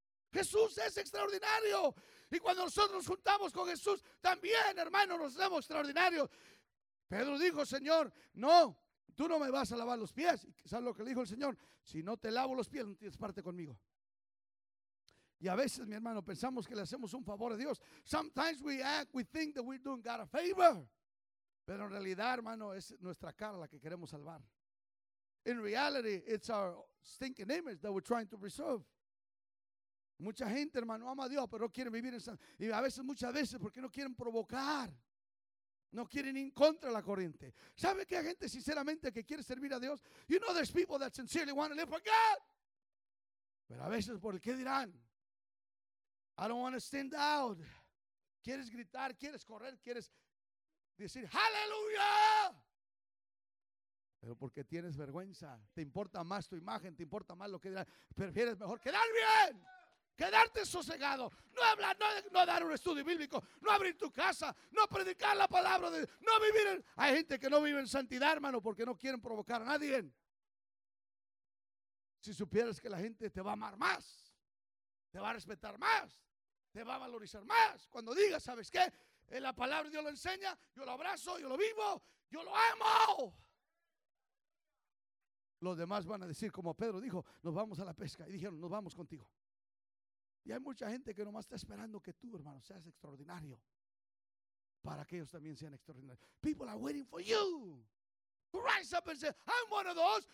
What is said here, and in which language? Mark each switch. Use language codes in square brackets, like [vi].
[es] Jesús es extraordinario. Y cuando nosotros nos juntamos con Jesús, también, hermano, nos vemos extraordinarios. Pedro dijo: Señor, no, tú no me vas a lavar los pies. ¿Sabes lo que le dijo el Señor? Si no te lavo los pies, no tienes parte conmigo. Y a veces, mi hermano, pensamos que le hacemos un favor a Dios. [en] Sometimes we think that we're doing God a favor. [es] Pero en realidad, hermano, es nuestra cara la que queremos salvar. [en] In reality, it's our stinking image that we're trying to preserve. [es] Mucha gente, hermano, ama a Dios, pero no quiere vivir en santidad. Y a veces, muchas veces, porque no quieren provocar. No quieren ir contra la corriente. ¿Sabe que hay gente, sinceramente, que quiere servir a Dios? [en] You know there's people that sincerely want to live for God. [es] Pero a veces, ¿por qué dirán? [en] I don't want to stand out. [es] ¿Quieres gritar? ¿Quieres correr? ¿Quieres decir aleluya? Pero porque tienes vergüenza. Te importa más tu imagen. Te importa más lo que dirán. Prefieres mejor quedar bien. Quedarte sosegado. No hablar, no dar un estudio bíblico. No abrir tu casa. No predicar la palabra de Dios. No vivir en... Hay gente que no vive en santidad, hermano, porque no quieren provocar a nadie. Si supieras que la gente te va a amar más. Te va a respetar más, te va a valorizar más. Cuando digas, ¿sabes qué? La palabra de Dios lo enseña, yo lo abrazo, yo lo vivo, yo lo amo. Los demás van a decir, como Pedro dijo, nos vamos a la pesca. Y dijeron, nos vamos contigo. Y hay mucha gente que nomás está esperando que tú, hermano, seas extraordinario. Para que ellos también sean extraordinarios. [en] People are waiting for you. Rise up and say, I'm one of those.